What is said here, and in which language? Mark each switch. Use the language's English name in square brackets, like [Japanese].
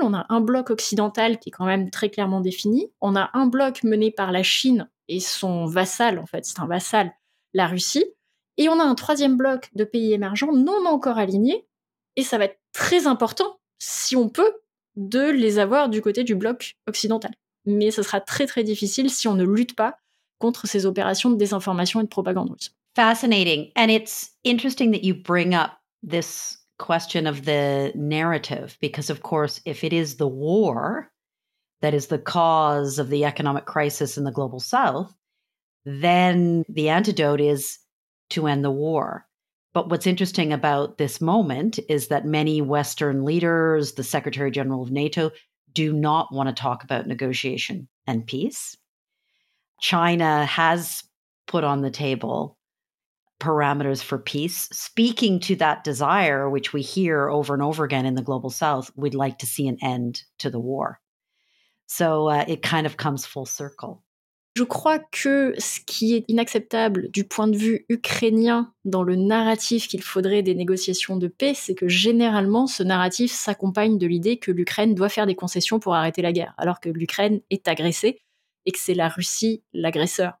[French] On a un bloc occidental qui est quand même très clairement défini. On a un bloc mené par la Chine et son vassal, en fait, c'est un vassal, la Russie. Et on a un troisième bloc de pays émergents non encore alignés. Et ça va être très important, si on peut, de les avoir du côté du bloc occidental. Mais ce sera très, très difficile si on ne lutte pas contre ces opérations de désinformation et de propagande russe. [English] Fascinating. And it's interesting that you bring up this question of the narrative, because of course, if it is the war that is the cause of the economic crisis in the global south, then the antidote is to end the war. But what's interesting about this moment is that many Western leaders, the Secretary General of NATO, do not want to talk about negotiation and peace. China has put on the table parameters for peace, speaking to that desire, which we hear over and over again in the global south, we'd like to see an end to the war. So it kind of comes full circle. [French] Je crois que ce qui est inacceptable du point de vue ukrainien dans le narratif qu'il faudrait des négociations de paix, c'est que généralement, ce narratif s'accompagne de l'idée que l'Ukraine doit faire des concessions pour arrêter la guerre, alors que l'Ukraine est agressée et que c'est la Russie l'agresseur.